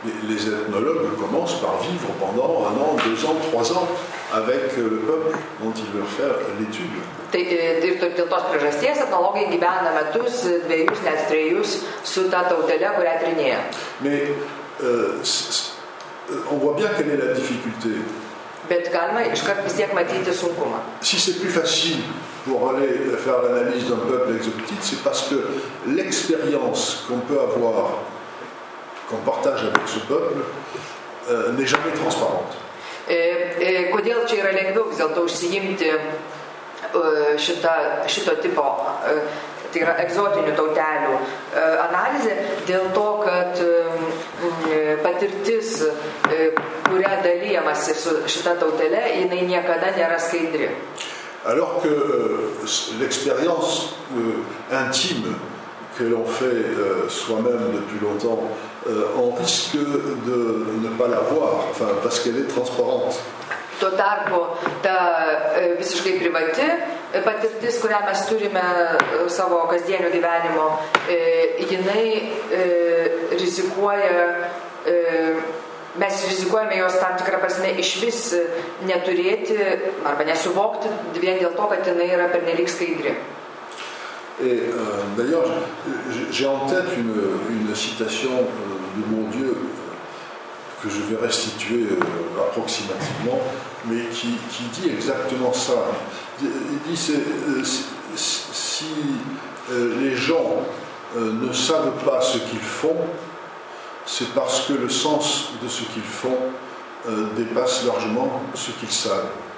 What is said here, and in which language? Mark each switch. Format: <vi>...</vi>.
<fr>Les ethnologues commencent par vivre pendant un an, deux ans, trois ans avec le peuple dont ils veulent faire l'étude.</fr> <lt>Ir dėl tos priežasties etnologai gyvena metus, dviejus, net trejus su ta tautelė, kurią tyrinėja.</lt> <fr>On voit bien quelle est la difficulté.</fr> <lt>Bet galima iškart vis tiek matyti sunkumą.</lt> <fr>Si c'est plus facile pour aller faire l'analyse d'un peuple exotique, c'est parce que l'expérience qu'on peut avoir, qu'on partage avec ce peuple, n'est jamais transparente.</fr> <lt>Kodėl čia yra lengviau vis dėlto užsiimti šito tipo, tai yra egzotinių tautelių analizė, dėl to, kad patirtis, kurią dalyjamasi su šita tautele, jinai niekada nėra skaidri.</lt> <fr>Alors que l'expérience intime que l'on fait soi-même depuis longtemps, on risque de ne pas la voir, enfin, parce qu'elle est transparente.</fr> <lt>Tuo tarpu ta visiškai privati patirtis, kurią mes turime savo kasdienio gyvenimo, jinai rizikuoja, mes rizikuojame jos tam tikrą prasme iš vis neturėti arba nesuvokti vien dėl to, kad jinai yra pernelyg skaidri.</lt> <fr>Et d'ailleurs, j'ai en tête une citation de Bourdieu que je vais restituer approximativement, mais qui dit exactement ça. Il dit, si les gens ne savent pas ce qu'ils font, c'est parce que le sens de ce qu'ils font dépasse largement ce qu'ils savent.</fr>